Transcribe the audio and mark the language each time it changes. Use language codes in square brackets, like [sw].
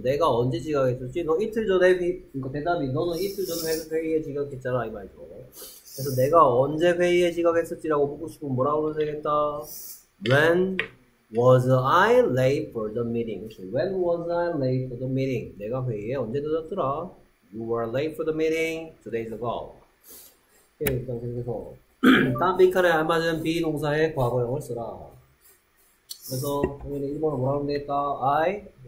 [ko] 내가 언제 지각했었지? 너 이틀 전에 회의, 그러니까 대답이 너는 이틀 전에 회의에 지각했잖아 이 말이죠. 그래서 내가 언제 회의에 지각했었지라고 묻고 싶으면 뭐라고 하면 되겠다. [en] When was I late for the meeting? When was I late for the meeting? [ko] 내가 회의에 언제 늦었더라? [en] You were late for the meeting 2 days ago. [ko] 오케이, 일단 계속해서 다음 빈칸에 알맞은 비동사의 과거형을 쓰라. 그래서 1번은 뭐라고 하면 되겠다? I